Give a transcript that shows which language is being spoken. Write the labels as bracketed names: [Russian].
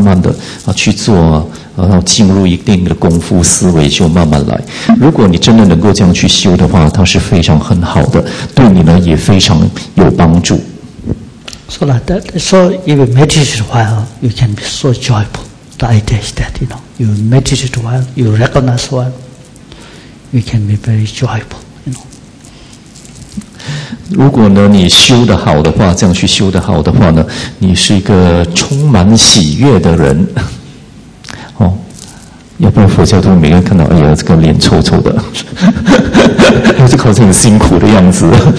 [Chinese] 所以就是我们讲修啊，修啊，这样修，这个就是其中一个方法了。像你可以这样做，这样静坐，然后你静坐并不是什么都空空的，静坐就可以用这个方法来静坐，然后可以静坐这半个钟头啊，或者是45分钟啊，就根据你手头上的时间，然后有多少，然后呢不要有压力，这样慢慢的去做啊，呼出去啊，吸进来啊，一个一个慢慢的啊去做啊。然后进入一定的功夫思维，就慢慢来。如果你真的能够这样去修的话，它是非常很好的，对你呢也非常有帮助。 [English] So like that, so if you meditate a while, you can be so joyful. The idea is that, you know, you meditate a while, you recognize a while, you can be very joyful, you know. [Chinese] 如果呢你修得好的话，这样去修得好的话呢，你是一个充满喜悦的人。要不然佛教徒每个人看到，哎呀，这个脸臭臭的， 这个好像很辛苦的样子。